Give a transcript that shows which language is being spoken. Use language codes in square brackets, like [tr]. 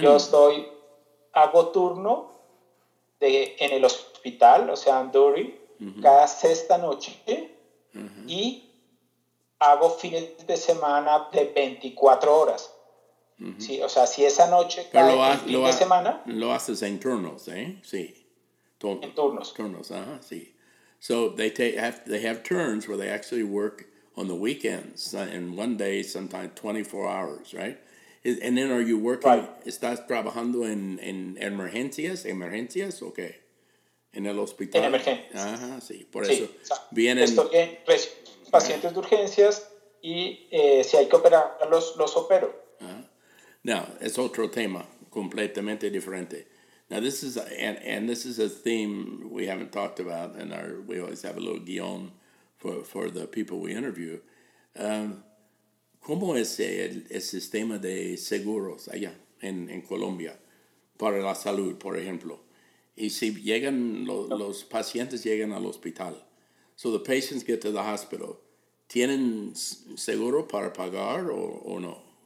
[es] Yo estoy, hago turno en el hospital, o sea, en Duri, cada sexta noche. Y hago fines de semana de 24 horas. Sí, o sea, si esa noche cae el fin de semana. Lo haces en turnos, ¿eh? Sí. En turnos, ajá, sí. [en] So they have turns where they actually work on the weekends, and one day sometimes 24 hours, right? And then are you working, [es] estás trabajando en emergencias, ok, en el hospital. En emergencias. Ajá, sí, por eso. Vienen. Estoy en pacientes de urgencias y si hay que operarlos, los opero. Now, es otro tema, completamente diferente. [en] Now this is and this is a theme we haven't talked about, and we always have a little guion for the people we interview. [es] ¿Cómo es el sistema de seguros allá en Colombia para la salud, por ejemplo? Y si llegan los pacientes llegan al hospital, [en] so the patients get to the hospital, [es] ¿tienen seguro para pagar o no?